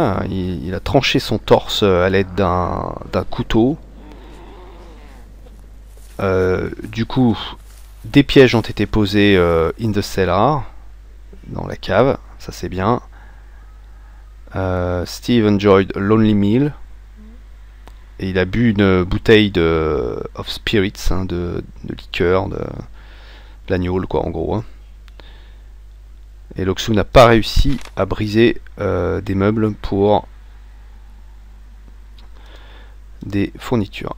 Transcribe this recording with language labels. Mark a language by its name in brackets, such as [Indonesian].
[French] Il a tranché son torse à l'aide d'un couteau. Du coup, des pièges ont été posés [English] in the cellar, [French] dans la cave, ça c'est bien. [English] Steve enjoyed a lonely meal. [French] Et il a bu une bouteille [English] of spirits, [French] hein, de liqueur, de l'agneau, quoi, en gros, hein. Et Loxu n'a pas réussi à briser des meubles pour des fournitures.